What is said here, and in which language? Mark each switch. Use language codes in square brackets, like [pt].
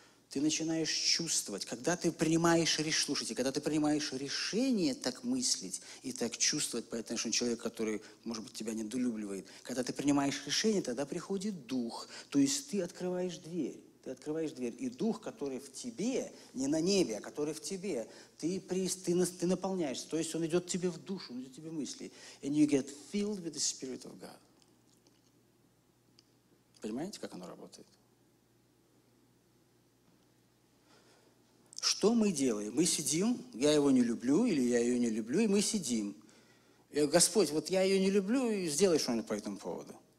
[ru] Ты начинаешь чувствовать, когда ты принимаешь решение, слушайте, когда ты принимаешь решение так мыслить и так чувствовать, потому что человек, который, может быть, тебя недолюбливает, когда ты принимаешь решение, тогда приходит Дух. То есть ты открываешь дверь. Ты открываешь дверь. И Дух, который в тебе, не на небе, а который в тебе, ты наполняешься. То есть он идет тебе в душу, он идет тебе в мысли. [en] And you get filled with the Spirit of God. [ru] Понимаете, как оно работает? Что мы делаем? Мы сидим, я его не люблю, или я ее не люблю, и мы сидим. Я говорю, Господь, вот я ее не люблю, и сделай что-нибудь по этому поводу.